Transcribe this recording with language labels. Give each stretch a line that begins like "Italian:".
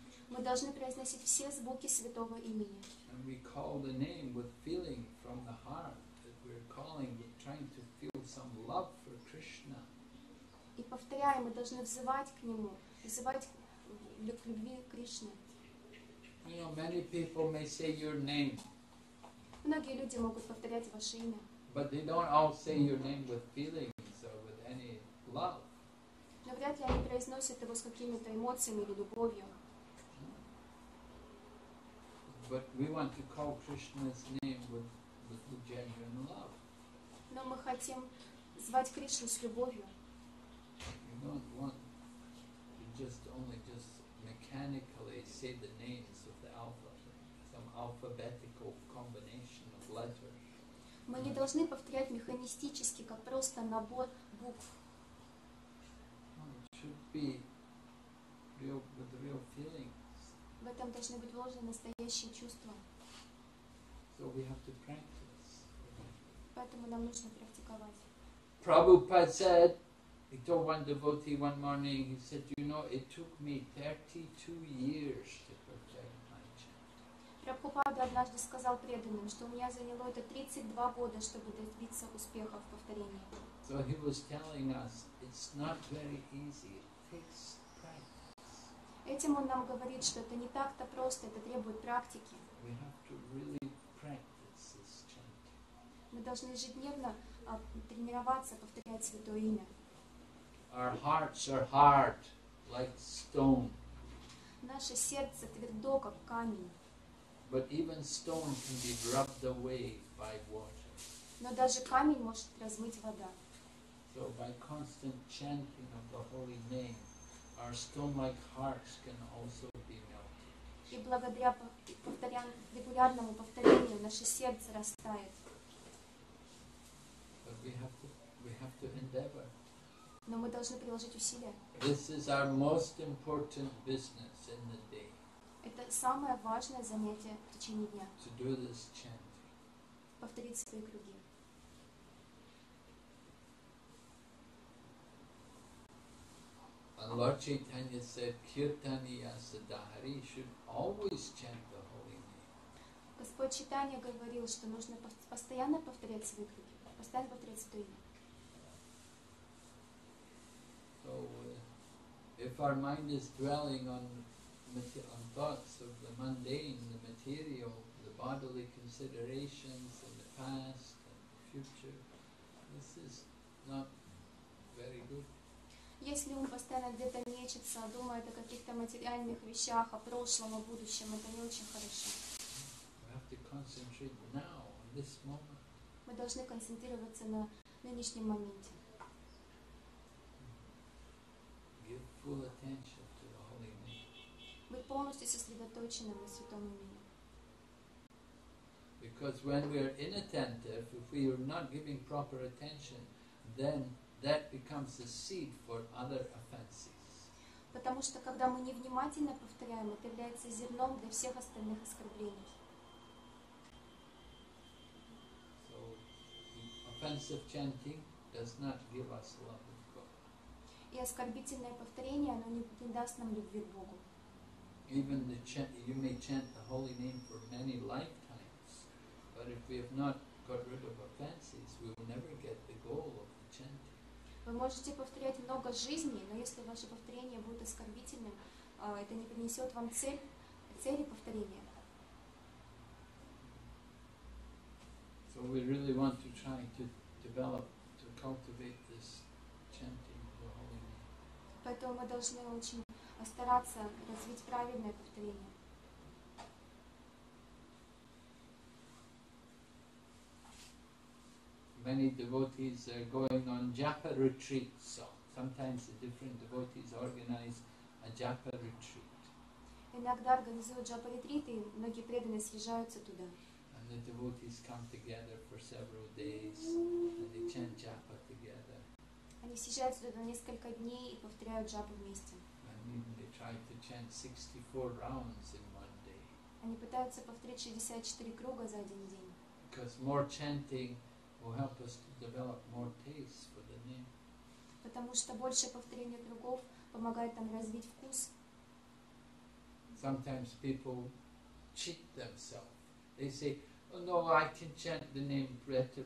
Russian: Мы должны произносить все звуки святого имени.
English: And we call the name with feeling from the heart that we're calling, we're trying to feel some love for Krishna.
Russian: И повторяем, мы должны взывать к нему, взывать к любви к Кришне.
English: You know, many people may say your name.
Russian: Многие люди могут повторять ваше имя.
English: But they don't all say your name with feelings or with any love.
Russian: Но вряд ли они произносят его с какими-то эмоциями или любовью.
English: But we want to call Krishna's name with genuine love.
Russian: Но мы хотим звать Кришну с любовью.
English: You don't want to just mechanically say the names of the alphabet, some alphabetical combination of letters.
Russian: Мы не должны повторять механистически, как просто набор букв.
English: It should be real, with real feelings.
Russian: В этом должны быть вложены настоящие чувства.
English: So we have to practice.
Russian: Поэтому нам нужно практиковать.
English: Prabhupada said, he told one devotee one morning, he said, you know, it took me 32 years to perfect.
Russian: Прабхупада однажды сказал преданным, что у меня заняло это 32 года, чтобы добиться успеха в повторении.
English: So he was telling us, it's not very easy. It takes practice.
Russian: Этим он нам говорит, что это не так-то просто, это требует практики.
English: We have to really practice this chanting.
Russian: Мы должны ежедневно тренироваться, повторять святое имя.
English: Our hearts are hard, like stone.
Russian: Наше сердце твердо, как камень.
English: But even stone can be rubbed away by water.
Russian: Но даже камень может размыть вода.
English: So by constant chanting of the holy name, our stone-like hearts can also be melted.
Russian: И благодаря регулярному повторению наше сердце растает.
English: But we have to endeavor.
Russian: Но мы должны приложить усилия.
English: This is our most important business in the day.
Russian: Это самое важное занятие в течение дня.
English: To do this chant.
Russian: Повторить свои круги.
English: And Lord Chaitanya said, Kirtaniya Sadhari should always chant the holy name.
Russian: Господь Чайтанья говорил, что нужно постоянно повторять свои круги. Постоянно повторять свое имя.
English: So, if our mind is dwelling on thoughts of the mundane, the material, the bodily considerations in the past and the future, this is not very good.
Russian: Если ум постоянно где-то мечется, думает о каких-то материальных вещах, о прошлом, о будущем, это не очень хорошо.
English: We have to concentrate now, on this moment.
Russian: Мы должны концентрироваться на нынешнем моменте.
English: Give full attention.
Russian: Быть полностью сосредоточенным на святом имени.
English: Because when we are inattentive, if we are not giving proper attention, then that becomes the seed for other offenses.
Russian: Потому что когда мы невнимательно повторяем, это является зерном для всех остальных оскорблений.
English: So, offensive chanting does not give us love with God.
Russian: И оскорбительное повторение, оно не даст нам любви к Богу.
English: Even the chant, you may chant the holy name for many lifetimes, but if we have not got rid of offenses, we will never get the goal of the chanting.
Russian: Вы можете повторять много жизней, но если ваше повторение будет оскорбительным, это не принесет вам цель, цели повторения.
English: So we really want to try to develop, to cultivate this chanting of the Holy Name.
Russian: Поэтому мы должны очень стараться развить правильное повторение.
English: Many devotees are going on japa retreats. So sometimes the different devotees organize a japa retreat.
Russian: Иногда организуют джапа ретриты, и многие преданные съезжаются туда.
English: And the devotees come together for several days and they chant japa together.
Russian: Они съезжаются туда на несколько дней и повторяют джапу вместе.
English: And they try to chant 64 rounds in one day.
Russian: Они пытаются повторить 64 круга за один день.
English: Because more chanting will help us to develop more taste for the name.
Russian: Потому что больше повторения кругов помогает нам развить вкус.
English: Sometimes people cheat themselves. They say, oh, no, I can chant the name better.